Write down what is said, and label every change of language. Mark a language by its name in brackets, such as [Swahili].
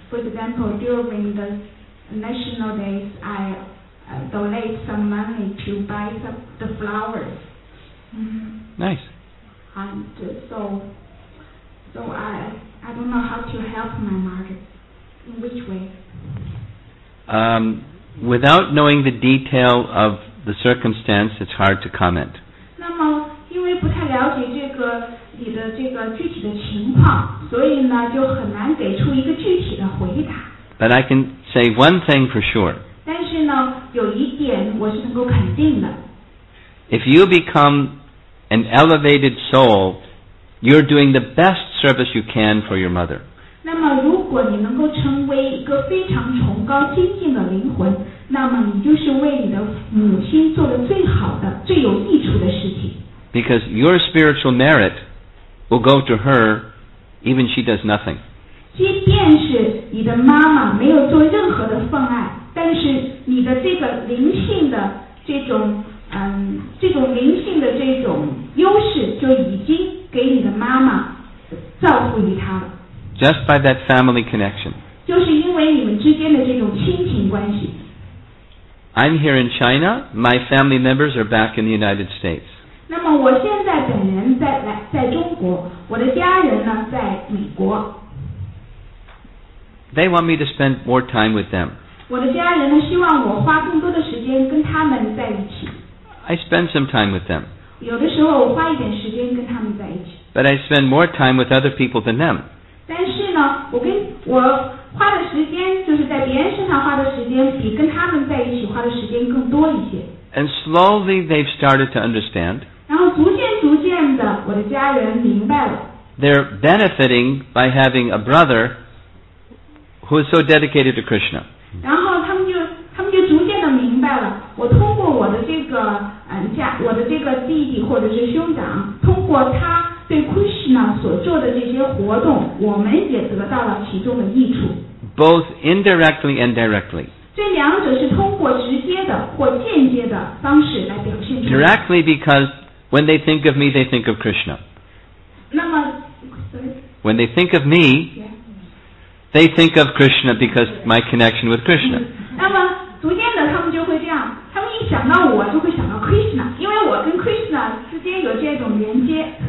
[English] For example, during the national days, I donate some money to buy the flowers. Nice. And So I don't know how to help my mother. In which way? Without knowing the detail of the circumstance, it's hard to comment. [Chinese] 那么因为不太了解这个你的这个具体的情况，所以呢就很难给出一个具体的回答。 [English] But I can say one thing for sure. [Chinese] 但是呢，有一点我是能够肯定的。 [English] If you become an elevated soul, you're doing the best service you can for your mother. [Chinese] 那么如果你能够成为一个非常崇高精进的灵魂，那么你就是为你的母亲做了最好的、最有益处的事情。 [English] Because your spiritual merit will go to her, even she does nothing. [Chinese] 即便是你的妈妈没有做任何的奉爱，但是你的这个灵性的这种这种灵性的这种优势就已经给你的妈妈造福于她了。 [English] Just by that family connection. [Chinese] 就是因为你们之间的这种亲情关系。 [English] I'm here in China. My family members are back in the United States. [Chinese] 那么我现在本人在中国，我的家人呢在美国。 [English] They want me to spend more time with them. [Chinese] 我的家人呢希望我花更多的时间跟他们在一起。 [English] I spend some time with them. [Chinese] 有的时候我花一点时间跟他们在一起。 [English] But I spend more time with other people than them. [Chinese] 但是呢，我花的时间就是在别人身上花的时间，比跟他们在一起花的时间更多一些。 [English] And slowly they've started to understand. [Chinese] 然后逐渐逐渐的，我的家人明白了。 [English] They're benefiting by having a brother who is so dedicated to Krishna. [Chinese] 然后他们就逐渐的明白了。我通过我的这个我的这个弟弟或者是兄长，通过他对 Krishna 所做的这些活动，我们也得到了其中的益处。 [English] Both indirectly and directly. [Chinese] 这两者是通过直接的或间接的方式来表现出来。 [English] Directly because when they think of me, they think of Krishna. 那么 when they think of me, they think of Krishna because my connection with Krishna. [Chinese] 那么逐渐的他们就会这样，他们一想到我就会想到 Krishna, 因为我跟 Krishna 之间有这种连接。